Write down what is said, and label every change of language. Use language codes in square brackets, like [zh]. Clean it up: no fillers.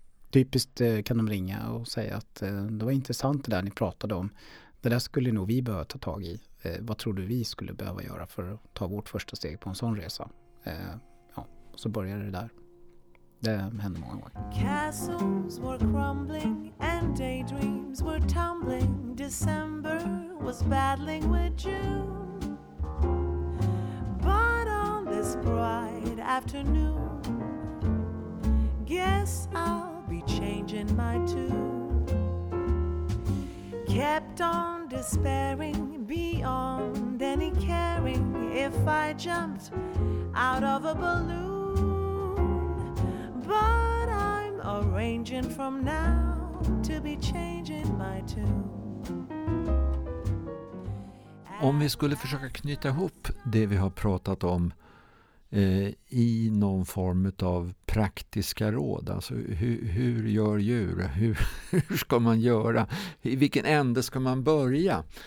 [sv] Typiskt kan de ringa och säga att det var intressant det där ni pratade om. Det där skulle nog vi behöva ta tag i. Vad tror du vi skulle behöva göra för att ta vårt första steg på en sån resa? Så börjar det där. Det händer många gånger. [en] Castles were crumbling and daydreams were tumbling. December was battling with June. But on this bright afternoon, guess I'll be changing my tune. Kept on despairing beyond any caring if I jumped out of a balloon. But I'm arranging from now to be changing my tune. [sv] Om vi skulle försöka knyta ihop det vi har pratat om i någon form av praktiska råd, alltså hur gör djur, hur ska man göra, i vilken ände ska man börja?